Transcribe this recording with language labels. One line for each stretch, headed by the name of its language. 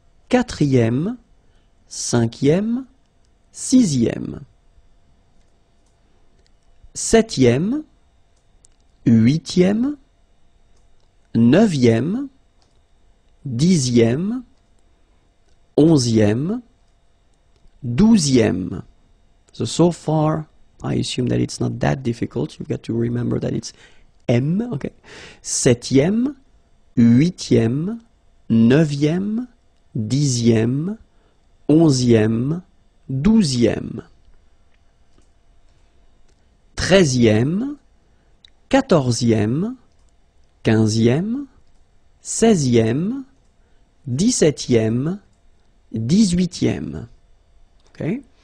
French: Quatrième, cinquième, sixième, septième, huitième, neuvième, dixième, onzième, douzième.
English: So far, I assume that it's not that difficult. You've got to remember that it's M, okay?
French: Septième, huitième, neuvième, dixième, onzième, douzième, treizième, quatorzième, quinzième, seizième, dix-septième, dix-huitième. Ok.